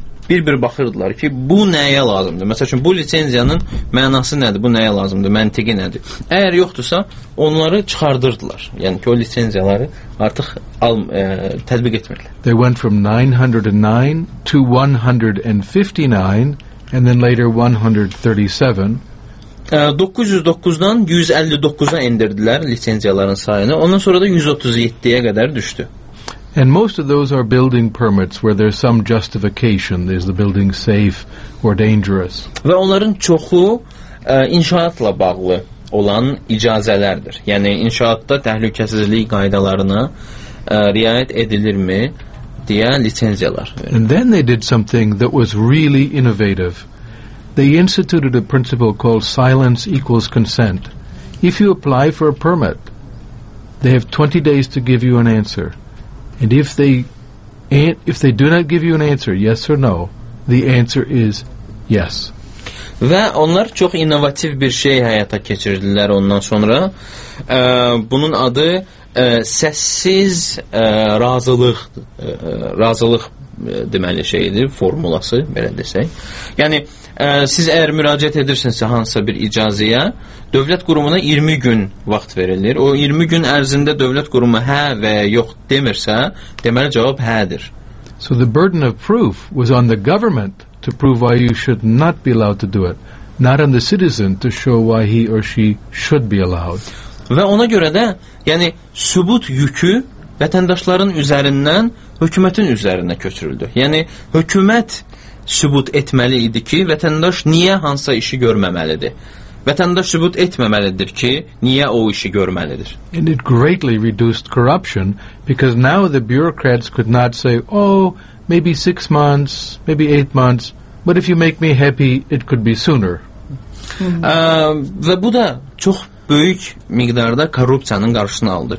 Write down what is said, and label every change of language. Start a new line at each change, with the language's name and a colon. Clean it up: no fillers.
Azerbaijani: Bir-bir baxırdılar ki, bu nəyə lazımdır? Məsəl üçün, bu lisenziyanın mənası nədir? Bu nəyə lazımdır? Məntiqi nədir? Əgər yoxdursa, onları çıxardırdılar. Yəni ki, o lisenziyaları artıq tədbiq etmirdilər.
English: They went from 909 to 159 and then later 137.
Azerbaijani: 909-dan 159-a endirdilər lisenziyaların sayını. Ondan sonra da 137-yə qədər düşdü.
English: And most of those are building permits where there's some justification. Is the building safe or dangerous?
Azerbaijani: Və onların çoxu inşaatla bağlı olan icazələrdir. Yəni, inşaatda təhlükəsizlik qaydalarına riayət edilirmi deyə lisenziyalar.
English: And then they did something that was really innovative. They instituted a principle called silence equals consent. If you apply for a permit, they have 20 days to give you an answer. And if they do not give you an answer, yes or no, the answer is yes.
Azerbaijani: Və onlar çox innovativ bir şey həyata keçirdilər ondan sonra. Bunun adı səssiz razılıq razılıq deməli şeydir formulası belə desək. Yəni siz əgər müraciət edirsinizsə hansısa bir icazəyə dövlət qurumuna 20 gün vaxt verilir. O 20 gün ərzində dövlət qurumu hə və yox demirsə, deməli cavab hədir.
English: So the burden of proof was on the government to prove why you should not be allowed to do it, not on the citizen to show why he or she should be allowed.
Azerbaijani: Və ona görə də, yəni sübut yükü vətəndaşların üzərindən hökumətin üzərinə köçürüldü. Yəni hökumət sübut etməli idi ki, vətəndaş niyə hansısa işi görməməlidir. Vətəndaş sübut etməməlidir ki, niyə o işi görməlidir.
English: And it greatly reduced corruption because now the bureaucrats could not say, "Oh, maybe 6 months, maybe 8 months, but if you make me happy, it could be sooner."
Azerbaijani: Və bu da çox böyük miqdarda korrupsiyanın qarşısını aldı.